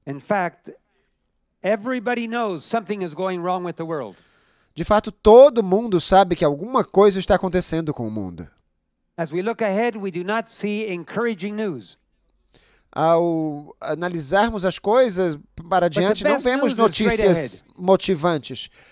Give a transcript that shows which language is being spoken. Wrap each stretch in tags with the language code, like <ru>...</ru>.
<en>In fact, everybody knows something is going wrong with the world.</en> <pt>De fato, todo mundo sabe que alguma coisa está acontecendo com o mundo.</pt> <en>As we look ahead, we do not see encouraging news.</en> <pt>Ao analisarmos as coisas para diante, não vemos notícias motivantes.</pt>